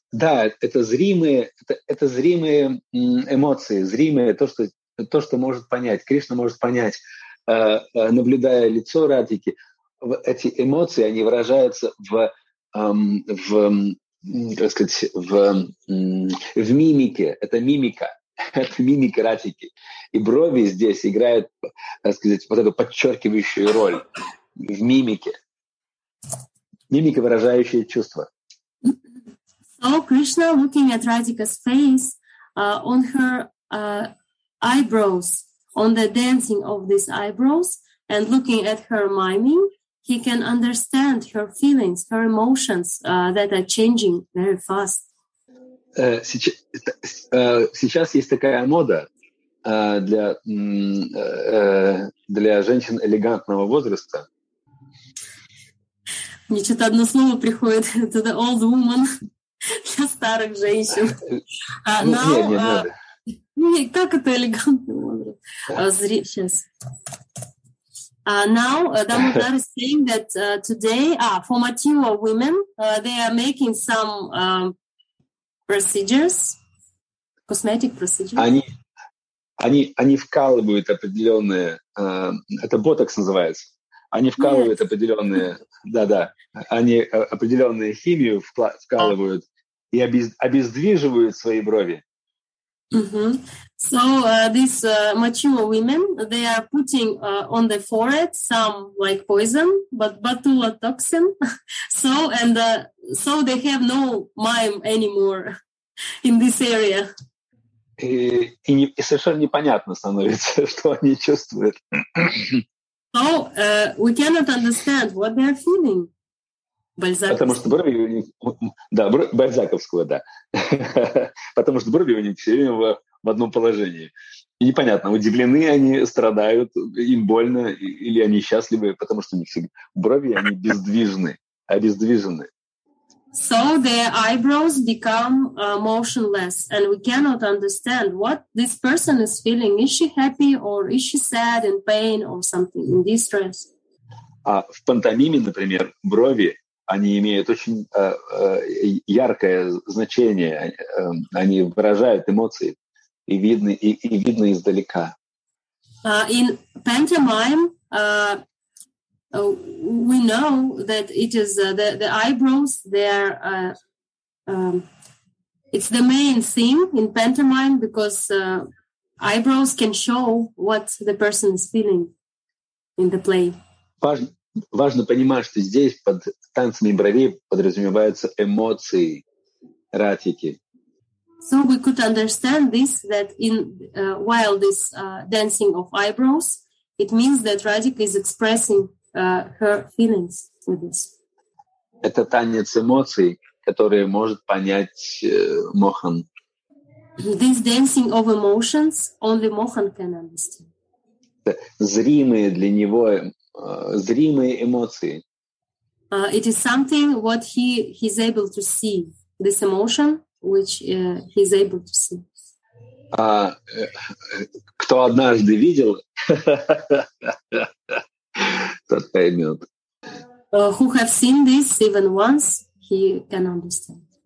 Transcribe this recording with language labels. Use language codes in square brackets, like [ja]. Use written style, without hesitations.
[ru] Да, это зримые, это зримые эмоции, зримые, то, что может понять, Кришна может понять, наблюдая лицо Радхики, эти эмоции, они выражаются в мимике, это мимика Радхики, и брови здесь играют, так сказать, вот эту подчеркивающую роль в мимике. Мимика, выражающая чувства. [en] So Krishna, looking at Radhika's face, on her eyebrows, on the dancing of these eyebrows, and looking at her miming, he can understand her feelings, her emotions that are changing very fast. [ru] Сейчас есть такая мода для женщин элегантного возраста. Мне что-то одно слово приходит. Это [en] the old woman [ru] для старых женщин. Как это элегантный возраст? Сейчас. [en] Now, Damodar is saying that today, for mature women, they are making some procedures, cosmetic procedures. [ru] Они вкалывают определенные, это ботокс называется, они вкалывают определенные, да-да, они определенные химию вкалывают и обездвиживают свои брови. [en] So these Machimo women, they are putting on the forehead some like poison, but botulinum toxin. So and so they have no mime anymore in this area. [ru] И совершенно непонятно становится, что они чувствуют. [en] So we cannot understand what they are feeling. [ru] Потому что брови у них, да, бальзаковского, да. Потому что брови у них все время в одном положении. И непонятно, удивлены они, страдают, им больно, или они счастливы, потому что у них брови, они бездвижны, обездвижены. [en] So their eyebrows become motionless, and we cannot understand what this person is feeling. Is she happy, or is she sad, in pain, or something, in distress? [ru] А в пантомиме, например, брови, они имеют очень яркое значение, они выражают эмоции, и видны, и видно издалека. [en] In pantomime, we know that it is the eyebrows, they are, it's the main theme in pantomime, because eyebrows can show what the person is feeling in the play. [ru] Важно понимать, что здесь под танцами бровей подразумеваются эмоции, эротики. [en] So we could understand this, that in while this dancing of eyebrows, it means that Radhika is expressing her feelings with this. [ru] Это танец эмоций, который может понять Мохан. [en] This dancing of emotions only Mohan can understand. [ru] Зримые для него зримые эмоции. [en] It is something what he's able to see. This emotion which he's able to see. [ru] Кто однажды видел, тот поймет. [en] Who have seen this even once, he can understand.